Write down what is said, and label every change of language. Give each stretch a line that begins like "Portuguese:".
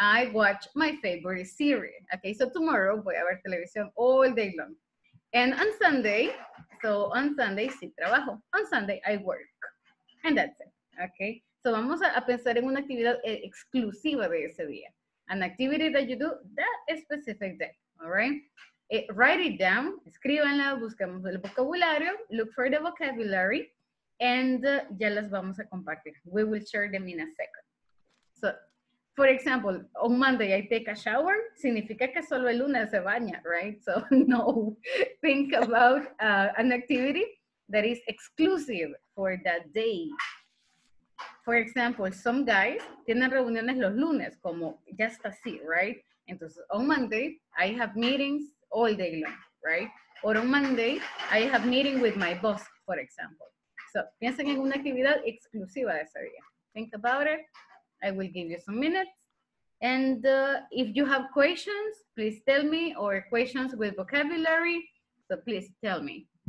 English: I watch my favorite series. Okay, so tomorrow
Spanish: voy a ver televisión
English: all day long. And on Sunday, so on Sunday
Spanish: sí trabajo.
English: On Sunday I work. And that's it.
Spanish: Okay, so vamos a pensar en una actividad exclusiva de ese día.
English: An activity that you do that specific day. All right. Write it down,
Spanish: escríbanla, busquemos el vocabulario,
English: look for the vocabulary, and
Spanish: ya las vamos a compartir.
English: We will share them in a second. So, for example, on Monday I take a shower,
Spanish: significa que solo el lunes se baña,
English: right? So, no, think about an activity that is exclusive for that day. For example, some guys
Spanish: tienen reuniones los lunes, como ya está así, right?
English: Entonces, on Monday I have meetings all day long, right? Or on Monday, I have meeting with my boss, for example.
Spanish: So, piensen en una actividad exclusiva de ese día.
English: Think about it. I will give you some minutes. And if you have questions, please tell me, or questions with vocabulary, so please tell me.